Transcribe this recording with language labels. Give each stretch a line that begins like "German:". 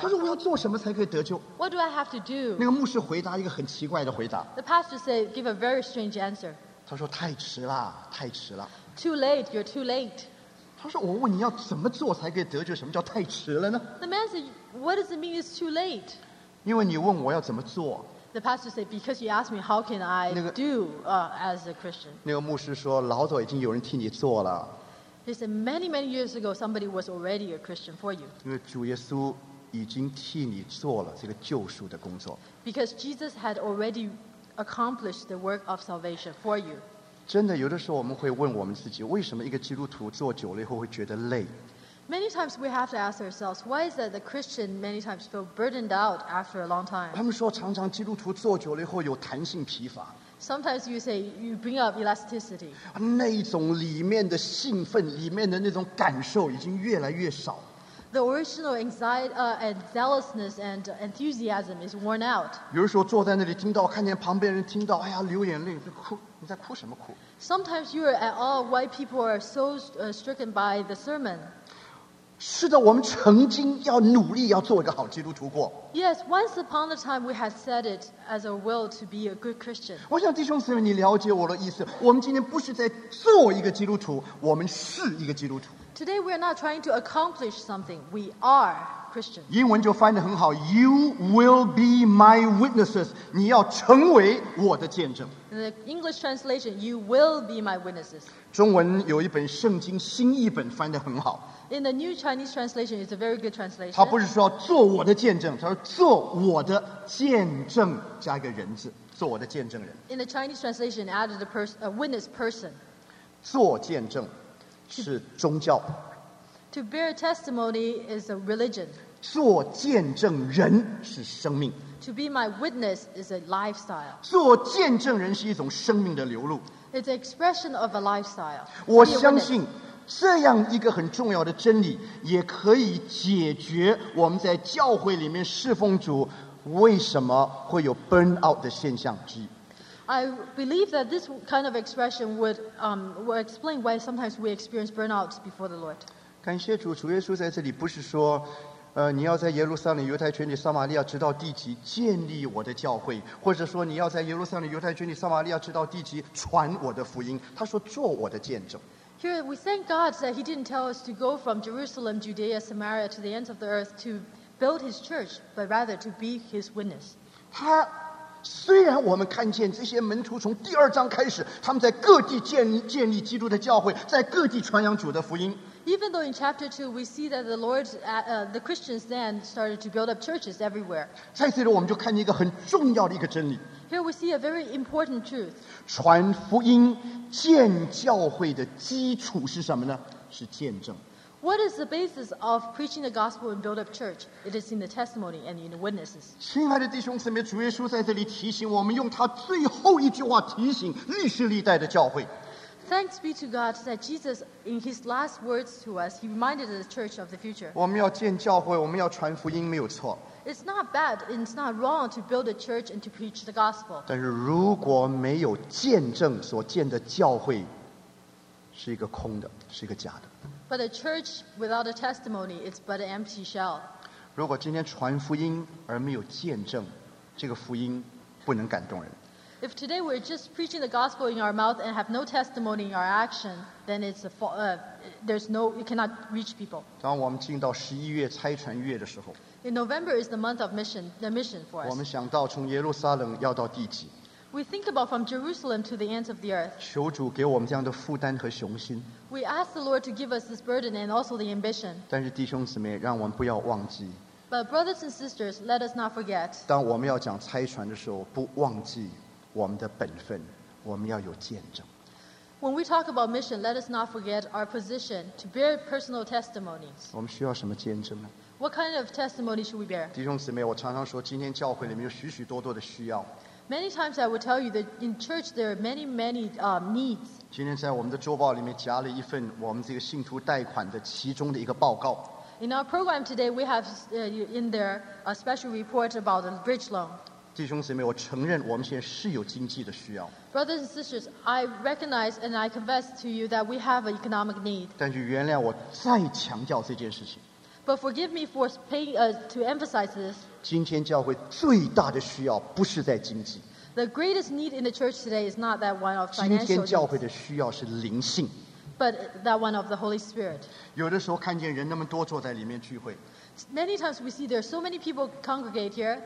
Chinese: 他说我要做什么才可以得救。
English: What do I have to do?
Chinese: 那个牧师回答一个很奇怪的回答。
English: The pastor said, give a very strange answer.
Chinese: 他说太迟了，太迟了。
English: Too late, you're too late.
Chinese: 他说我问你要怎么做才可以得救，什么叫太迟了呢？
English: The man said, what does it mean it's too late?
Chinese: 因为你问我要怎么做。
English: The pastor said, because you asked me how can I do as a Christian.
Chinese: 那个牧师说，老早已经有人替你做了。
English: He said, many, many years ago, somebody was already a Christian for you.
Chinese: 因为主耶稣已经替你做了这个救赎的工作。
English: Because Jesus had already accomplished the work of salvation for you.
Chinese: 真的，有的时候我们会问我们自己，为什么一个基督徒做久了以后会觉得累？
English: Many times we have to ask ourselves, why is that the Christian many times feel burdened out after a long time?
Chinese: 他们说常常基督徒坐久了以后有弹性疲乏。
English: Sometimes you say you bring up elasticity.
Chinese: 那种里面的兴奋，里面的那种感受已经越来越少。
English: The original anxiety, and zealousness and enthusiasm is worn out.
Chinese: 有的时候坐在那里听到，看见旁边人听到，哎呀，流眼泪，就哭。你在哭什么哭？
English: Sometimes you are at all why people are so stricken by the sermon.
Chinese: 是的，我们曾经要努力要做一个好基督徒过。
English: Yes, once upon a time we had set it as a will to be a good Christian.
Chinese: 我想弟兄姊妹，你了解我的意思。我们今天不是在做一个基督徒，我们是一个基督徒。
English: Today we are not trying to accomplish something. We are Christians.
Chinese: 英文就翻得很好 ，
English: You will be my witnesses.
Chinese: 你要成为我的见证。
English: In the English translation, you will be my witnesses.
Chinese: 中文有一本圣经新译本翻得很好。
English: In the New Chinese translation, it's a very good translation.
Chinese: 他不是说做我的见证，他说做我的见证加一个人字，做我的见证人。
English: In the Chinese translation, added a witness person.
Chinese: 做见证是宗教。
English: To bear testimony is a religion.
Chinese: 做见证人是生命。
English: To be my witness is a lifestyle.
Chinese: 做见证人是一种生命的流露。
English: It's an expression of a lifestyle.
Chinese: 我相信。这样一个很重要的真理也可以解决我们在教会里面侍奉主为什么会有 burn out 的现象之一。
English: I believe that this kind of expression would explain why sometimes we experience burnout before the Lord.
Chinese: 感谢主，主耶稣在这里不是说你要在耶路撒冷犹太全地撒玛利亚直到地极建立我的教会，或者说你要在耶路撒冷犹太全地撒玛利亚直到地极传我的福音，他说做我的见证。
English: Here we thank God that He didn't tell us to go from Jerusalem, Judea, Samaria to the ends of the earth to build His church, but rather to be His witness.
Chinese: 他虽然我们看见这些门徒从第二章开始，他们在各地建立基督的教会，在各地传扬主的福音。
English: Even though in chapter 2 we see that the Lord, the Christians then started to build up churches everywhere.
Chinese: 在这里我们就看见一个很重要的一个真理。
English: Here we see a very important truth.
Chinese: 传福音建教会的基础是什么呢？是见证。
English: What is the basis of preaching the gospel and build up church? It is in the testimony and in the witnesses.
Chinese: 亲爱的弟兄姊妹，主耶稣在这里提醒我们，用他最后一句话提醒历世历代的教会。
English: Thanks be to God that Jesus, in his last words to us, he reminded the church of the future.
Chinese: 我们要建教会，我们要传福音，没有错。
English: It's not bad, it's not wrong to build a church and to preach the gospel.
Chinese: 但是如果没有见证，所建的教会是一个空的，是一个假的。
English: But a church without a testimony is but an empty shell.
Chinese: 如果今天传福音而没有见证，这个福音不能感动人。
English: If today we're just preaching the gospel in our mouth and have no testimony in our action, then it's it cannot reach people.
Chinese: 当我们进到十一月拆船月的时候。
English: In November is the month of mission, the mission for us.
Chinese: 我们想到从耶路撒冷要到地极。
English: We think about from Jerusalem to the ends of the earth.
Chinese: 求主给我们这样的负担和雄心。
English: We ask the Lord to give us this burden and also the ambition.
Chinese: 但是弟兄姊妹，让我们不要忘记。
English: But brothers and sisters, let us not forget.
Chinese: 当我们要讲拆船的时候，不忘记。我们的本分，我们要有见证。
English: When we talk about mission, let us not forget our position to bear personal testimonies.
Chinese: 我们需要什么见证呢？
English: What kind of testimony should we bear?
Chinese: 弟兄姊妹，我常常说，今天教会里面有许许多多的需要。
English: Many times I would tell you that in church there are many, many needs.
Chinese: 今天在我们的周报里面夹了一份我们这个信徒贷款的其中的一个报告。
English: In our program today, we have in there a special report about the bridge loan.
Chinese: 弟兄姊妹，我承认我们现在是有经济的需要。
English: Brothers and sisters, I recognize and I confess to you that we have an economic need.
Chinese: 但是原谅我再强调这件事情。
English: But forgive me for paying to emphasize this.
Chinese: 今天教会最大的需要不是在经济。
English: The greatest need in the church today is not that one of financial needs.
Chinese: 今天教会的需要是灵性。
English: But that one of the Holy Spirit.
Chinese: 有的时候看见人那么多坐在里面聚会。
English: Many times we see there are so many people congregate here.